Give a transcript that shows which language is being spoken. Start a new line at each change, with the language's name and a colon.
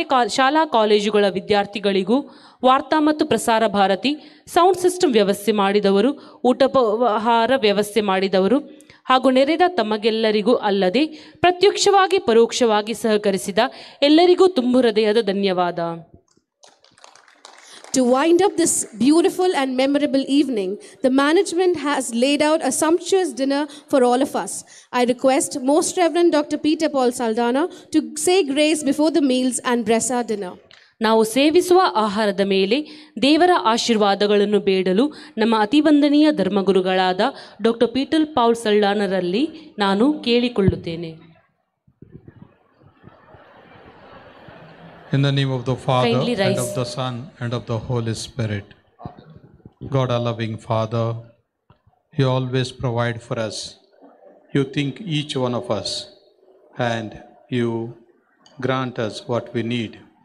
Kannada: ಶಾಲಾ ಕಾಲೇಜುಗಳ ವಿದ್ಯಾರ್ಥಿಗಳಿಗೂ ವಾರ್ತಾ ಮತ್ತು ಪ್ರಸಾರ ಭಾರತಿ ಸೌಂಡ್ ಸಿಸ್ಟಮ್ ವ್ಯವಸ್ಥೆ ಮಾಡಿದವರು ಊಟೋಪಹಾರ ವ್ಯವಸ್ಥೆ ಮಾಡಿದವರು ಹಾಗೂ ನೆರೆದ ತಮಗೆಲ್ಲರಿಗೂ ಅಲ್ಲದೆ ಪ್ರತ್ಯಕ್ಷವಾಗಿ ಪರೋಕ್ಷವಾಗಿ ಸಹಕರಿಸಿದ ಎಲ್ಲರಿಗೂ ತುಂಬು ಹೃದಯದ ಧನ್ಯವಾದ.
English: To wind up this beautiful and memorable evening, the management has laid out a sumptuous dinner for all of us. I request Most Reverend Dr. Peter Paul Saldana to say grace before the meals and bless our dinner.
Kannada: ನಾವು ಸೇವಿಸುವ ಆಹಾರದ ಮೇಲೆ ದೇವರ ಆಶೀರ್ವಾದಗಳನ್ನು ಬೇಡಲು ನಮ್ಮ ಅತಿವಂದನೀಯ ಧರ್ಮಗುರುಗಳಾದ doctor Peter Paul ಸಲ್ಡಾನರಲ್ಲಿ ನಾನು ಕೇಳಿಕೊಳ್ಳುತ್ತೇನೆ.
English: In the name of the Father and of the Son and of the Holy Spirit, God our loving Father, you always provide for us. You think each one of us and you grant us what we need.